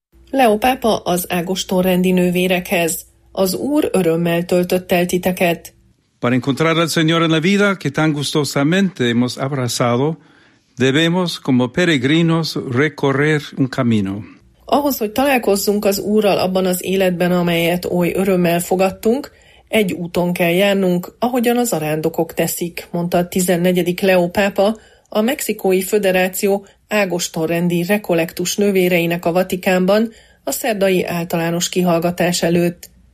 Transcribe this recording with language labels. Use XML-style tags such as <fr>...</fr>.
<hu>Leó pápa az ágostorrendi nővérekhez. Az Úr örömmel töltött el titeket.</hu> <es>Para encontrar al Señor en la vida que tan gustosamente hemos abrazado, debemos como peregrinos recorrer un camino.</es> <hu>Ahhoz, hogy találkozzunk az Úrral abban az életben, amelyet oly örömmel fogadtunk, egy úton kell járnunk, ahogyan az zarándokok teszik, mondta a 14. Leó pápa, a Mexikói Föderáció ágostorrendi rekolektus nővéreinek a Vatikánban a szerdai általános kihallgatás előtt.</hu>